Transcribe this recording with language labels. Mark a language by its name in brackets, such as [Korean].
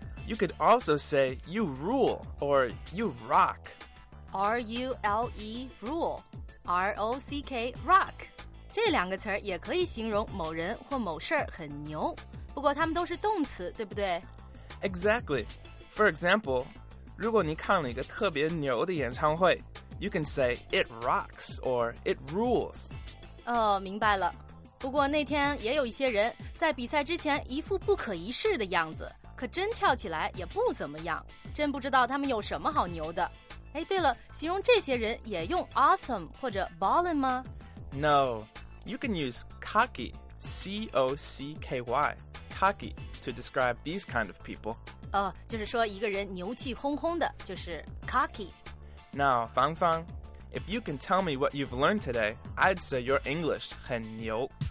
[English] You could also say you rule or you rock. R-U-L-E, rule. R-O-C-K, rock. [Chinese] 这两个词儿也可以形容某人或某事儿很牛。不过它们都是动词，对不对？ [English] Exactly. For example, [Chinese] 如果你看了一个特别牛的演唱会， [English] you can say it rocks or it rules. [Chinese] 哦，明白了。不过那天也有一些人在比赛之前一副不可一世的样子，可真跳起来也不怎么样，真不知道他们有什么好牛的。哎，对了，形容这些人也用 awesome 或者 ballin 吗？ [English] No, you can use cocky, C-O-C-K-Y, cocky, to describe these kind of people. [Chinese] 哦，就是说一个人牛气哄哄的，就是 cocky. [English] Now, 芳芳，If you can tell me what you've learned today, I'd say your English [Chinese] 很牛。